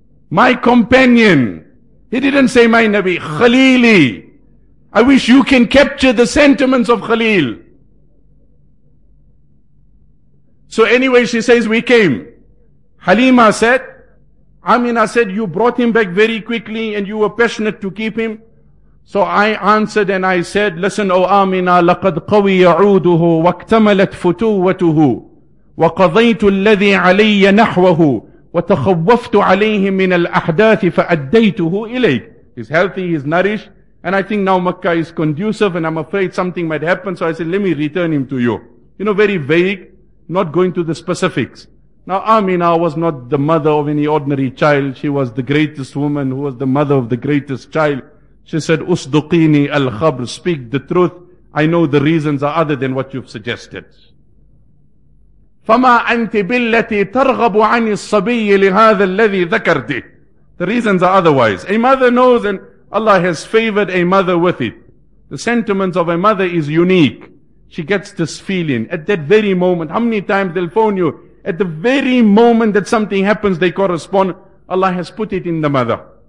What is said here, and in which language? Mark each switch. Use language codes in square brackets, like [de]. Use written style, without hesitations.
[en] My companion. He didn't say my Nabi. Khalili. I wish you can capture the sentiments of Khalil. So anyway, she says we came. Halima said, Amina said, you brought him back very quickly and you were passionate to keep him. So I answered and I said, listen, O Amina, [ar] لَقَدْ قَوِيَ عُودُهُ وَاكْتَمَلَتْ فُتُوَّتُهُ وَقَضَيْتُ الَّذِي عَلَيَّ نَحْوَهُ وَتَخَوَّفْتُ عَلَيْهِ مِنَ الْأَحْدَاثِ فَأَدَّيْتُهُ إِلَيْكَ. [en] He's healthy, he's nourished. And I think now Makkah is conducive and I'm afraid something might happen. So I said, let me return him to you. You know, very vague, not going to the specifics. Now, Amina was not the mother of any ordinary child. She was the greatest woman who was the mother of the greatest child. She said, Usduqini al-Khabr, speak the truth. I know the reasons are other than what you've suggested. [ar] فما أنت بالتي ترغب عن الصبي لهذا الذي ذكرته. [en] The reasons are otherwise. A mother knows and Allah has favored a mother with it. The sentiments of a mother is unique. She gets this feeling at that very moment. How many times they'll phone you? At the very moment that something happens, they correspond. Allah has put it in the mother.